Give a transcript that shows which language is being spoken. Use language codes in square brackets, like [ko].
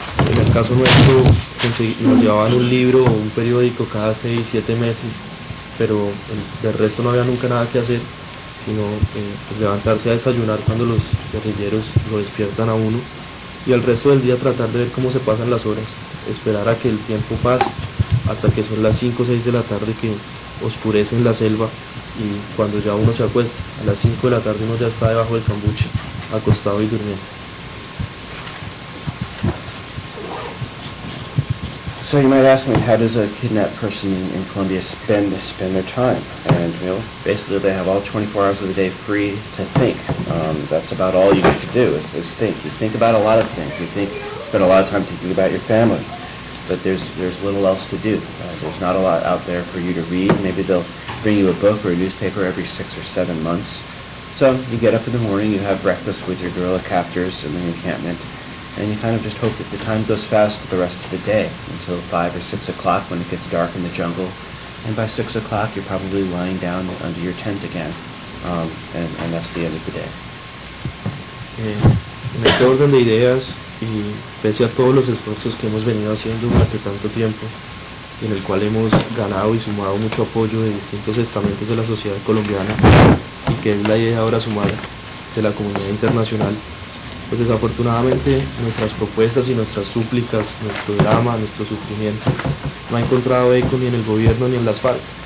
[es] En el caso nuestro nos llevaban un libro o un periódico cada 6-7 meses, pero del resto no había nunca nada que hacer, sino levantarse a desayunar cuando los guerrilleros lo despiertan a uno, y el resto del día tratar de ver cómo se pasan las horas, esperar a que el tiempo pase hasta que son las 5 o 6 de la tarde, que oscurece en la selva, y cuando ya uno se acuesta, a las 5 de la tarde uno ya está debajo del cambuche, acostado y durmiendo. [en] So you might ask me, how does a kidnapped person in Colombia spend their time? And, you know, basically they have all 24 hours of the day free to think. That's about all you need to do is think. You think about a lot of things. You think, spend a lot of time thinking about your family. But there's little else to do. There's not a lot out there for you to read. Maybe they'll bring you a book or a newspaper every 6 or 7 months. So you get up in the morning, you have breakfast with your guerrilla captors in the encampment, and you kind of just hope that the time goes fast for the rest of the day until 5 or 6 o'clock, when it gets dark in the jungle. And by 6 o'clock, you're probably lying down under your tent again. And that's the end of the day. [es] En este orden de ideas, y pese a todos los esfuerzos que hemos venido haciendo durante tanto tiempo, y en el cual hemos ganado y sumado mucho apoyo de distintos estamentos de la sociedad colombiana, y que es la idea ahora sumada de la comunidad internacional, pues desafortunadamente nuestras propuestas y nuestras súplicas, nuestro drama, nuestro sufrimiento, no ha encontrado eco ni en el gobierno ni en las FARC.